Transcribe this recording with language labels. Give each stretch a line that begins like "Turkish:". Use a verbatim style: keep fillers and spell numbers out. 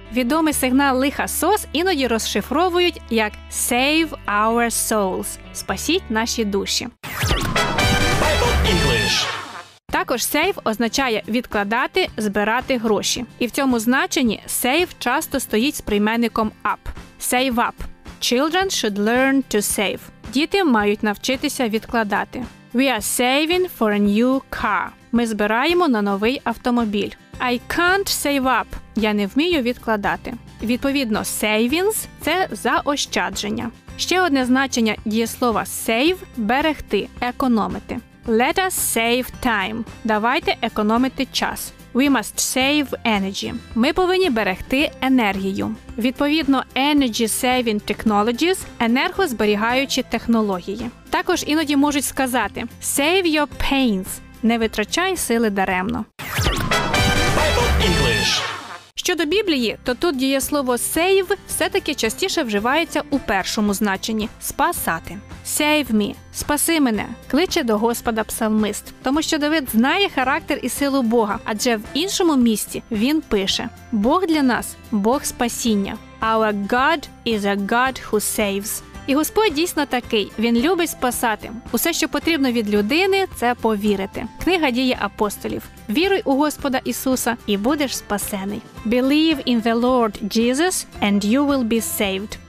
Ukrainian: Відомий сигнал лиха ес о ес іноді розшифровують як
English: Save our souls.
Ukrainian: Спасіть наші душі.
English: Bible English.
Ukrainian: Також save означає відкладати, збирати гроші. І в цьому значенні save часто стоїть з прийменником up.
English: Save up. Children should learn to save.
Ukrainian: Діти мають навчитися відкладати.
English: We are saving for a new car.
Ukrainian: Ми збираємо на новий автомобіль.
English: I can't save up.
Ukrainian: Я не вмію відкладати. Відповідно, savings – це заощадження. Ще одне значення дієслова save – берегти, економити.
English: Let us save time.
Ukrainian: Давайте економити час.
English: We must save energy.
Ukrainian: Ми повинні берегти енергію. Відповідно,
English: energy saving technologies
Ukrainian: – енергозберігаючі технології. Також іноді можуть сказати
English: save your pains
Ukrainian: – не витрачай сили даремно.
English: Bible English.
Ukrainian: Щодо Біблії, то тут дієслово save все-таки частіше вживається у першому значенні – спасати.
English: Save me
Ukrainian: – спаси мене, кличе до Господа псалмист. Тому що Давид знає характер і силу Бога, адже в іншому місці він пише «Бог для нас – Бог спасіння».
English: Our God is a God who saves.
Ukrainian: І Господь дійсно такий, Він любить спасати. Усе, що потрібно від людини – це повірити. Книга «Дії апостолів». Віруй у Господа Ісуса і будеш спасений.
English: Believe in the Lord Jesus and you will be saved.